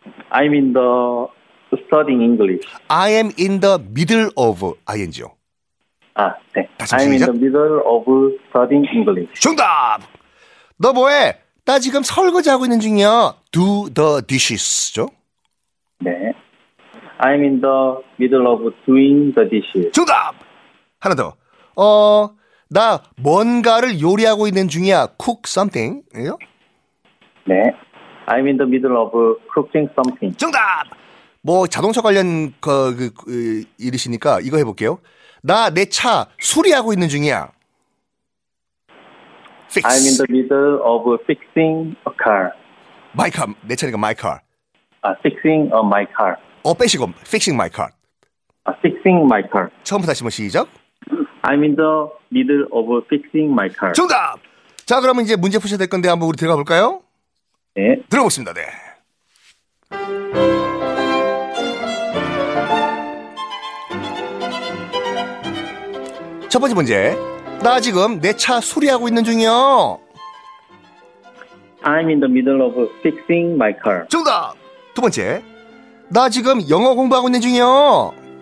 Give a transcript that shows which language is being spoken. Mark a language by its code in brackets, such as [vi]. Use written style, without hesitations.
[en] I'm in the studying English. I am in the middle of ing요. [ko] 아, 네. [en] I'm in the middle of studying English. [ko] 정답! 너 뭐해? 나 지금 설거지 하고 있는 중이야. [en] Do the dishes죠? [ko] 네. [en] I'm in the middle of doing the dishes. [ko] 정답! 하나 더. 나 뭔가를 요리하고 있는 중이야. [en] Cook something. [ko] 이요? 네. [en] I'm in the middle of cooking something. [ko] 정답! 뭐 자동차 관련 그 일이시니까 이거 해볼게요. 나 내 차 수리하고 있는 중이야. [en] Fix. I'm in the middle of fixing a car. My car. [ko] 내 차니까 [en] my car. Fixing my car. [ko] 빼시고 [en] fixing my car. Fixing my car. [ko] 처음부터 다시 한번 시작. [en] I'm in the middle of fixing my car. [ko] 정답! 자, 그러면 이제 문제 푸셔야 될 건데 한번 우리 들어가 볼까요? 네. 들어보겠습니다. 네. 첫 번째 문제. 나 지금 내 차 수리하고 있는 중이요. [en] I'm in the middle of fixing my car. [ko] 정답. 두 번째. 나 지금 영어 공부하고 있는 중이요.